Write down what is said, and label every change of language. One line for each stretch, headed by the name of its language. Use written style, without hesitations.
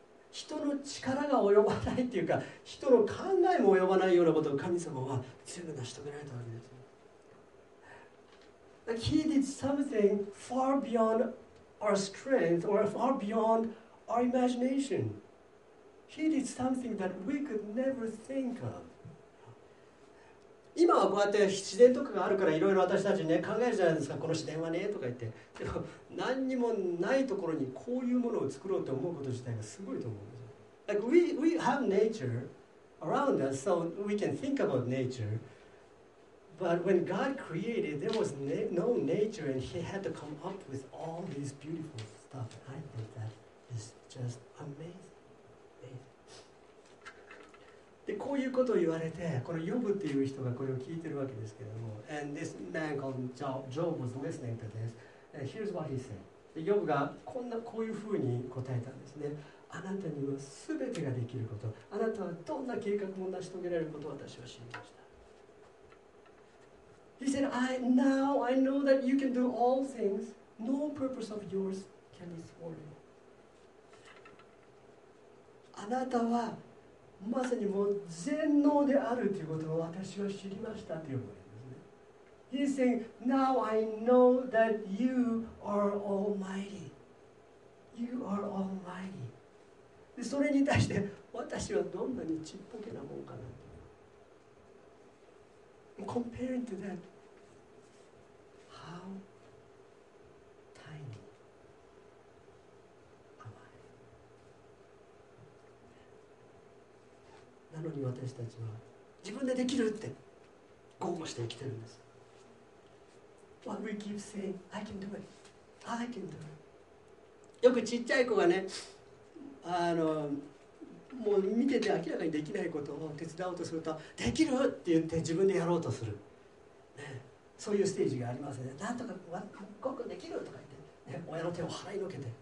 Japanese: 人の力が及ばないっていうか、人の考えも及ばないようなことを神様は全部成し遂げられたわけです。
English: Like、he did something far beyond our strength or far beyond our imagination. He did something that we could never think of.
Japanese: 今はこうやって自然とかがあるからいろいろ私たちね考えるじゃないですか、この自然はねとか言って、でも何にもないところにこういうものを作ろうと思うこと自体がすごいと思うんですよ。
English: Like we have nature around us, so we can think about nature. But when God created, there was no nature, and He had to come up with all these beautiful stuff. I think that is just amazing.
Japanese: でこういうことを言われて、このヨブっていう人がこれを聞いてるわけですけれども、
English: And this man called Job was listening to this. And here's what he said.
Japanese: ヨブがこんなこういうふうに答えたんですね。あなたにはすべてができること、あなたはどんな計画も成し遂げられることを私は知りました。
English: He said, I know that you can do all things. No purpose of yours can be thwarted.
Japanese: あなたはまさにもう全能であるということを私は知りましたというわけですね。
English: He's saying, now I know that you are almighty. You are almighty.
Japanese: でそれに対して私はどんなにちっぽけなもんかなと。
English: Comparing to that, how tiny.
Japanese: なのに私たちは自分でできるって豪語して生きてるんです。
English: What we keep saying, I can do it. I can do it.
Japanese: よくちっちゃい子がね、もう見てて明らかにできないことを手伝おうとすると、できるって言って自分でやろうとする。ね、そういうステージがありますね。なんとかごくできるとか言って、ね、親の手を払いのけて。